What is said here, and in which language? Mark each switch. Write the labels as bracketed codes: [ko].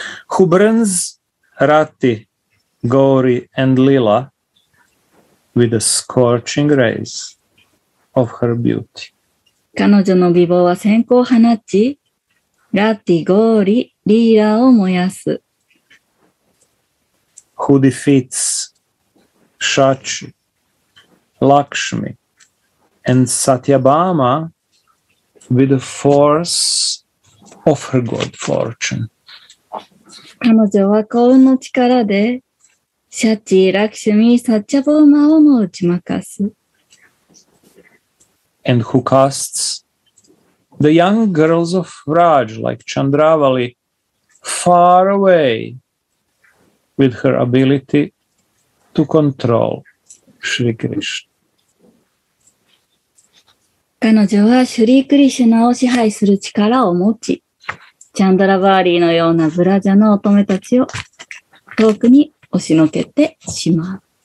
[en] Who burns Rati, Gauri and Lila. With the scorching rays of her beauty. [ja] 彼女の美貌は閃光を放ち、ラティ・ゴーリ・リーラを燃やす。 [en] Who defeats Shachi, Lakshmi, and Satyabhama with the force of her good fortune. [ja] 彼女は幸運の力で、シャチ、ラクシュミ、サッチャボーマをも打ち負かす。 [en] And who casts the young girls of Raj, like Chandravali, far away with her ability to control Shri Krishna. [ja] 彼女はシュリー・クリシュナを支配する力を持ち、チャンドラバーリーのようなブラジャの乙女たちを遠くに押しのけてしまう。